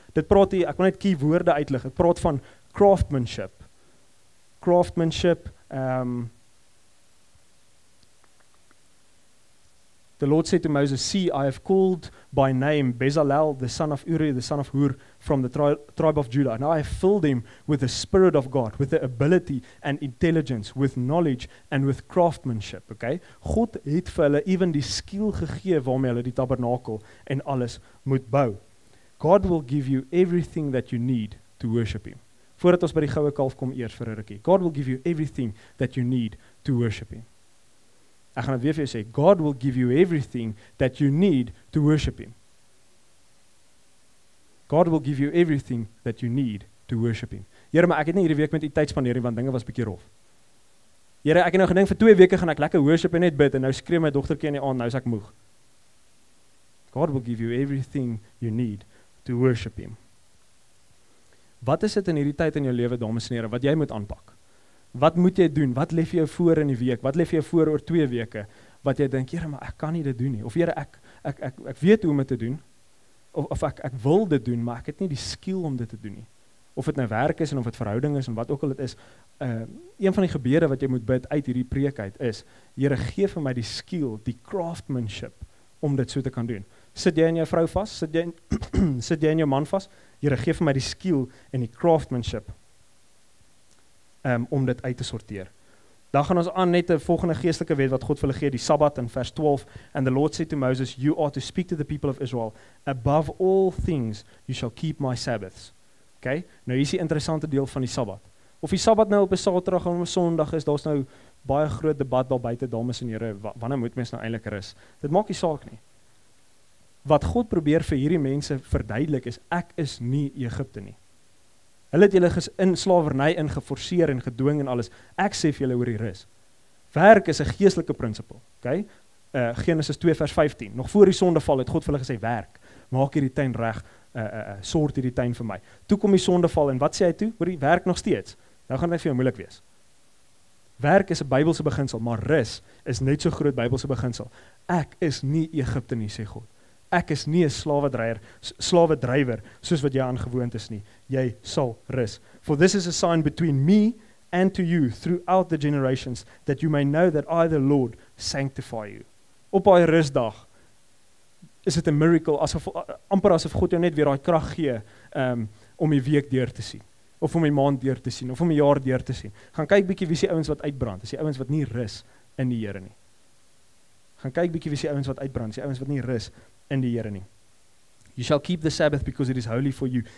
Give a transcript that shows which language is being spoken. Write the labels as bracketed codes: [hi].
[af] Dit praat hier, ek wil net key woorde uitlig, het praat van craftsmanship. [en] Craftsmanship, the Lord said to Moses, see, I have called by name Bezalel, the son of Uri, the son of Hur, from the tribe of Judah. And I have filled him with the Spirit of God, with the ability and intelligence, with knowledge and with craftsmanship. Okay? [af] God het vir hulle even die skill gegee waarmee hulle die tabernakel en alles moet bou. [en] God will give you everything that you need to worship him. [af] Voordat ons by die goue kalf kom eers vir 'n rukkie. [en] God will give you everything that you need to worship him. [af] Ek gaan het weer vir jou sê, [en] God will give you everything that you need to worship him. God will give you everything that you need to worship him. [af] Here, maar ek het nie hierdie week met u tyd spandeer nie, want dinge was bietjie rof. Here, ek het nou gedink vir 2 weke gaan ek lekker worship en net bid, en nou skree my dogtertjie in die aand, nou is ek moeg. [en] God will give you everything you need to worship him. [af] Wat is dit in hierdie tyd in jou lewe, dames en here, wat jy moet aanpak? Wat moet jy doen? Wat lê vir jou voor in die week? Wat lê vir jou voor oor 2 weke? Wat jy dink, Here, maar ek kan nie dit doen nie. Of Here, ek weet hoe om dit te doen. Of ek wil dit doen, maar ek het nie die skill om dit te doen nie. Of het nou werk is, en of het verhouding is, en wat ook al het is. Een van die gebede wat jy moet bid uit hierdie preek uit is, Here, gee vir my die skill, die craftsmanship, om dit so te kan doen. Sit jy in jou vrou vas? Sit jy in jou man vas? Here, gee vir my die skill en die craftsmanship om dit uit te sorteer. Dan gaan ons aan net die volgende geestelike wet wat God vir hulle gee, die Sabbat in vers 12. [en] And the Lord said to Moses, you are to speak to the people of Israel. Above all things, you shall keep my Sabbaths. [af] Okay? Nou hier is die interessante deel van die Sabbat. Of die Sabbat nou op 'n Saterdag of 'n Sondag is, daar's nou baie groot debat daar buite, dames en here, wanneer moet mens nou eintlik rus? Dit maak nie saak nie. Wat God probeer vir hierdie mense verduidelik is, ek is nie Egipte nie. Hulle het julle in slavernij ingeforceer en gedwing en alles. Ek sê vir julle oor die rus. Werk is 'n geestelike prinsipel. Okay? Genesis 2 vers 15. Nog voor die sondeval het God vir hulle gesê, werk. Maak hierdie tuin reg. Sort hierdie tuin vir my. Toe kom die sondeval en wat sê hy toe? Hoor die werk nog steeds. Nou gaan dit vir jou moeilik wees. Werk is 'n Bybelse beginsel, maar rus is net so groot Bybelse beginsel. Ek is nie Egipte nie, sê God. Ek is nie 'n slawedrywer soos wat jy aangewoond is nie. Jy sal rus. [en] For this is a sign between me and to you throughout the generations that you may know that I the Lord sanctify you. [af] Op daai rusdag is dit 'n miracle asof amper asof God jou net weer daai krag gee om die week deur te sien of om die maand deur te sien of om die jaar deur te sien. Gaan kyk bietjie wie se ouens wat uitbrand. Is die ouens wat nie rus in die Here nie. Gaan kyk bietjie wie se ouens wat uitbrand. Is die ouens wat nie rus in die Here nie. [en] You shall keep the Sabbath because it is holy for you.